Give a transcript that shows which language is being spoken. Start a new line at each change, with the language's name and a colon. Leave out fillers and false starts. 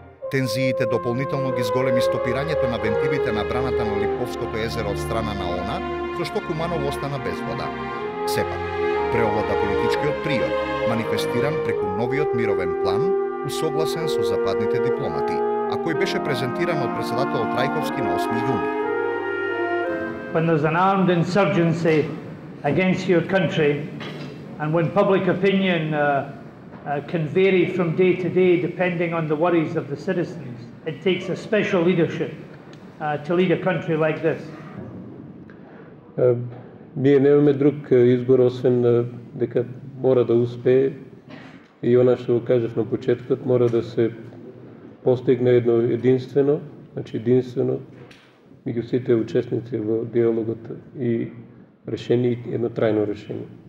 Macedonian: Тензиите дополнително ги зголеми стопирањето на вентилите на браната на Липковското езеро од страна на ОНА, со што Куманов остана без вода. Сепак, преовлада политичкиот приот, манифестиран преку новиот мировен план, усогласен со западните дипломати, а кој беше презентиран од председател Трајковски на 8 јуни.
English: When there's an armed insurgency against your country, and when public opinion can vary from day to day depending on the worries of the citizens, it takes a special leadership to lead a country like this.
Macedonian: Ние немаме друг избор освен дека мора да успее и она што го кажав на почетокот, мора да се постигне едно единствено, значи единствено меѓу сите учесници во диалогот и решение, едно трајно решение.